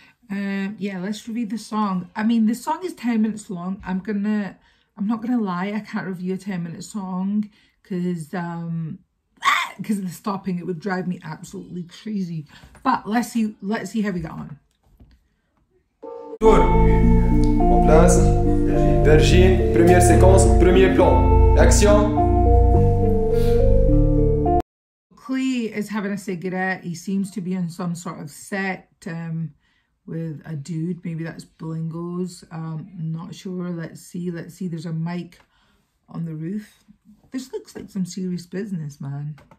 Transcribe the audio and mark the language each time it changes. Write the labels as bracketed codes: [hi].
[en] Let's review the song. I mean, the song is 10 minutes long. I'm not gonna lie, I can't review a 10 minute song because of the stopping, it would drive me absolutely crazy. But let's see how we got on. [fr] En place, Darjin, première séquence, premier plan, action. [en] Klay is having a cigarette. He seems to be on some sort of set with a dude. Maybe that's Blingos. Not sure. Let's see. There's a mic on the roof. This looks like some serious business, man.